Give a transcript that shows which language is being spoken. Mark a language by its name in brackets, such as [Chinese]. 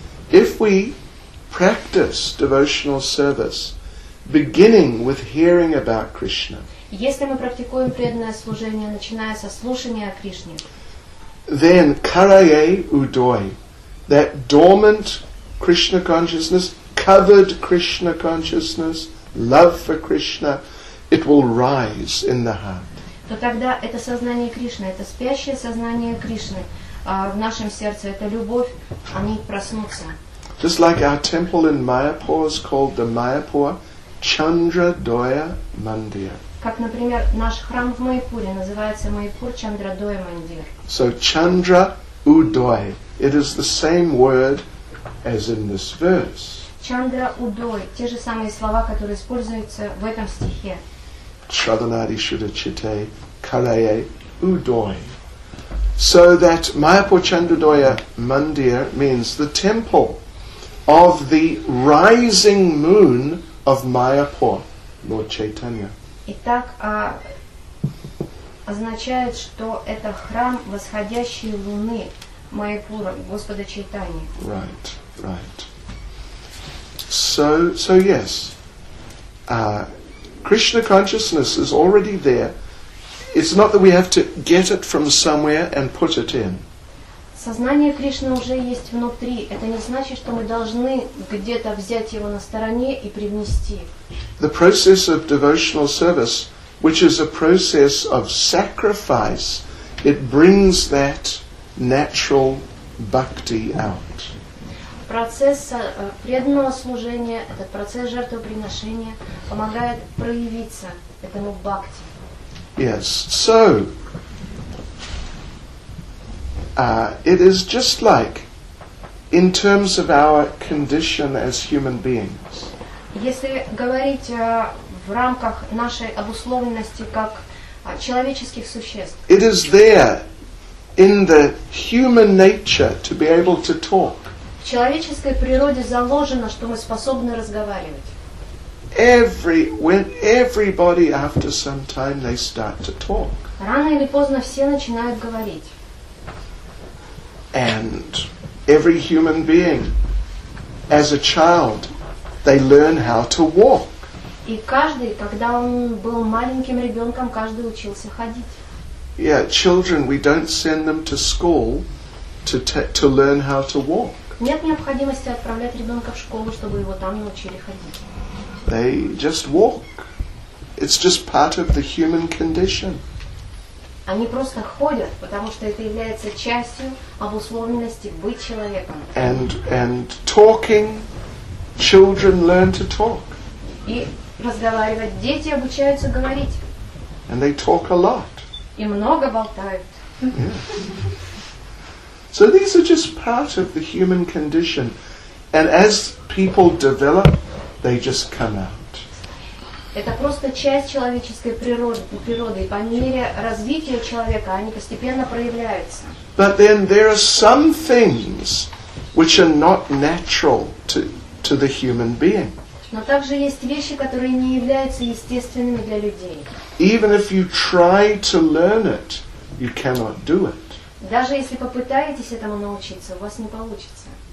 [English] If we practice devotional service, beginning with hearing about Krishna. [Russian] Если мы практикуем преданное служение, начиная со слушания о Кришне. [English] Then [Bangla] karaye udoy, [English] that dormant Krishna consciousness, covered Krishna consciousness, love for Krishna, it will rise in the heart. [Russian] То тогда это сознание Кришны, это спящее сознание Кришны в нашем сердце, это любовь, они проснутся. [English] Just like our temple in Mayapur is called the Mayapur Chandradoya Mandir. [Russian] Как, например, наш храм в Майпуре называется Майпур Чандрадоя Мандир. [English] So Chandra Udoy, it is the same word as in this verse. [Russian] Chandra Udoy, те же самые слова, которые используются в этом стихе. [Bangla] Shravanadi Shuddha Chitte Karaye Udoy. [English] So that Mayapur Chandradoya Mandir means the temple of the rising moon of Mayapur, Lord Chaitanya. [Russian] Итак, означает, что это храм восходящей луны Майпура, Господа Чайтаньи. [English] Right, right. So yes. Krishna consciousness is already there. It's not that we have to get it from somewhere and put it in. [Russian] Сознание Кришны уже есть внутри. Это не значит, что мы должны где-то взять его на стороне и привнести. [English] The process of devotional service, which is a process of sacrifice, it brings that natural bhakti out. [Russian] Процесс преданного служения, этот процесс жертвоприношения помогает проявиться этому бхакти. [English] Yes, so it is just like in terms of our condition as human beings. [Russian] Если говорить в рамках нашей обусловленности как человеческих существ. [English] It is there in the human nature to be able to talk. [Russian] В человеческой природе заложено, что мы способны разговаривать. [English] when everybody after some time they start to talk. [Russian] Рано или поздно все начинают говорить. [English] And every human being, as a child, they learn how to walk. [Russian] И каждый, когда он был маленьким ребенком, каждый учился ходить. [English] Yeah, children, we don't send them to school to learn how to walk. [Russian] Нет необходимости отправлять ребенка в школу, чтобы его там научили ходить. [English] They just walk. It's just part of the human condition. [Russian] Они просто ходят, потому что это является частью обусловленности быть человеком. [English] And talking, children learn to talk. [Russian] И разговаривать. Дети обучаются говорить. [English] And they talk a lot. [Russian] И много болтают. [English] So these are just part of the human condition. And as people develop, they just come out. [Russian] Это просто часть человеческой природы. И по мере развития человека они постепенно проявляются. [English] But then there are some things which are not natural to the human being. [Russian] Но также есть вещи, которые не являются естественными для людей. [English] Even if you try to learn it, you cannot do it. [Russian] Даже если попытаетесь этому научиться, у вас не получится.